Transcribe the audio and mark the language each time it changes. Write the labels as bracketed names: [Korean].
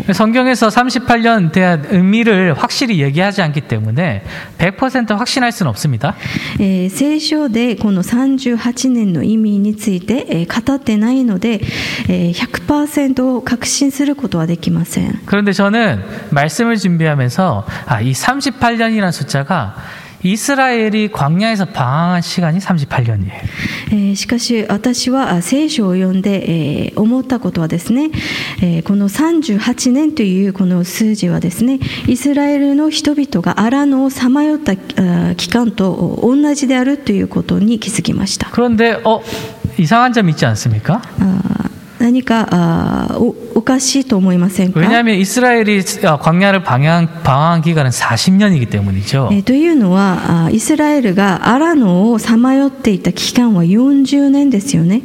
[Korean] 성경에서38년대한의미를확실히얘기하지않기때문에 100% 확신할수는없습니다 [Japanese] 聖書でこの38年の意味について語ってないので100% 確信することはできません [Korean] 그런데저는말씀을준비하면서이38년이라는숫자가이스라엘이광야에서방황한시간이38년이에요 [Japanese] しかし私は聖書を読んで思ったことはですねこの38年というこの数字はですねイスラエルの人々がアラノをさまよった期間と同じであるということに気づきました [Korean] 그런데이상한점있지않습니까 [Japanese] 何かおかしいと思いませんか [Korean] 왜냐하면이스라엘이광야를방황한기간은40년이기때문이죠 [Japanese] というのは이스라엘이アラノをさまよっていた期間は40年ですよね